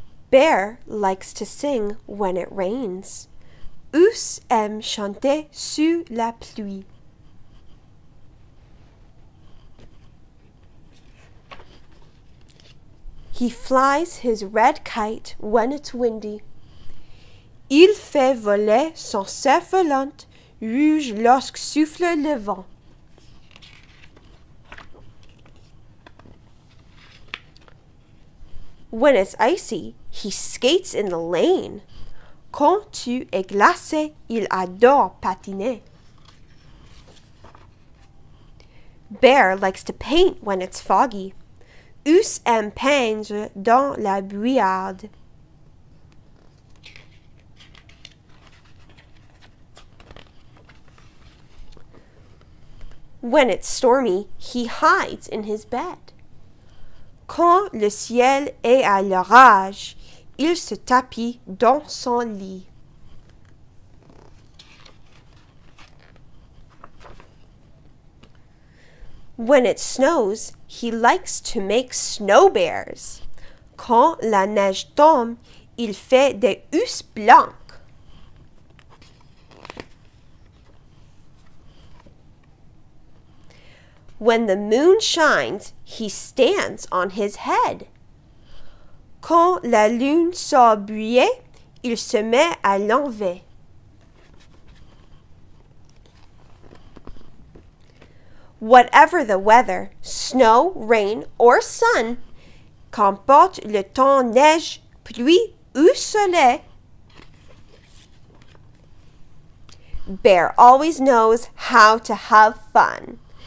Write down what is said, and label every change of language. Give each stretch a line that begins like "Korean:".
English: Bear likes to sing when it rains.
French: Ours aime chanter sous la pluie.
English: He flies his red kite when it's windy.
French: Il fait voler son cerf-volant rouge lorsque souffle le vent.
English: When it's icy, he skates in the lane.
French: Quand tu es glacé, il adore patiner.
English: Bear likes to paint when it's foggy.
French: Ours aime peindre dans la brouillarde.
English: When it's stormy, he hides in his bed.
French: Quand le ciel est à l'orage, il se tapit dans son lit.
English: When it snows, he likes to make snow bears.
French: Quand la neige tombe, il fait des ours blancs.
English: When the moon shines, he stands on his head.
French: Quand la lune sort briller, il se met à l'envers.
English: Whatever the weather, snow, rain, or sun,
French: qu'importe le temps, neige, pluie ou soleil,
English: Bear always knows how to have fun.